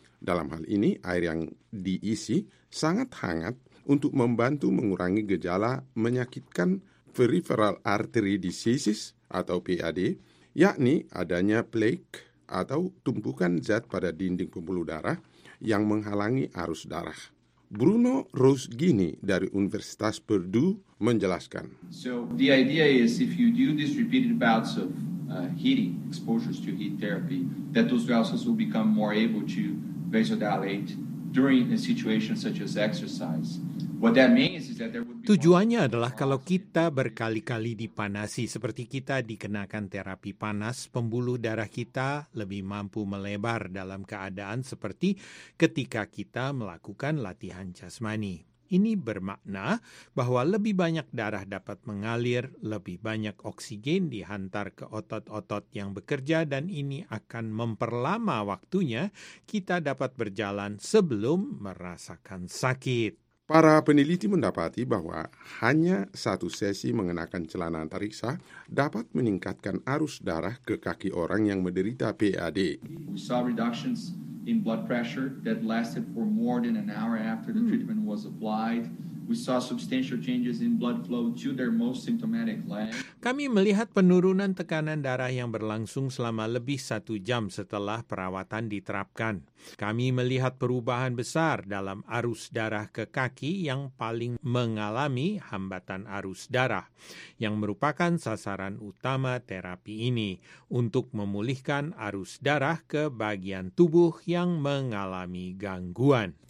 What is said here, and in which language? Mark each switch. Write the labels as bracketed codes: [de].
[id] Dalam hal ini, air yang diisi sangat hangat untuk membantu mengurangi gejala menyakitkan peripheral artery disease atau PAD, yakni adanya plaque atau tumpukan zat pada dinding pembuluh darah yang menghalangi arus darah. Bruno Rosgini dari Universitas Purdue menjelaskan. [en] So the idea is if you do these repeated bouts of heating, exposures to heat therapy, that those vessels will become more able to vasodilate during a situation such as exercise. What that means is that there would be. [id] Tujuannya adalah kalau kita berkali-kali dipanasi seperti kita dikenakan terapi panas, pembuluh darah kita lebih mampu melebar dalam keadaan seperti ketika kita melakukan latihan jasmani. Ini bermakna bahwa lebih banyak darah dapat mengalir, lebih banyak oksigen dihantar ke otot-otot yang bekerja, dan ini akan memperlama waktunya kita dapat berjalan sebelum merasakan sakit. Para peneliti mendapati bahwa hanya satu sesi mengenakan celana antariksa dapat meningkatkan arus darah ke kaki orang yang menderita PAD. [en] We saw reductions in blood pressure that lasted for more than an hour after the treatment was applied. We saw substantial changes in blood flow to their most symptomatic leg. [id] Kami melihat penurunan tekanan darah yang berlangsung selama lebih satu jam setelah perawatan diterapkan. Kami melihat perubahan besar dalam arus darah ke kaki yang paling mengalami hambatan arus darah, yang merupakan sasaran utama terapi ini, untuk memulihkan arus darah ke bagian tubuh yang mengalami gangguan.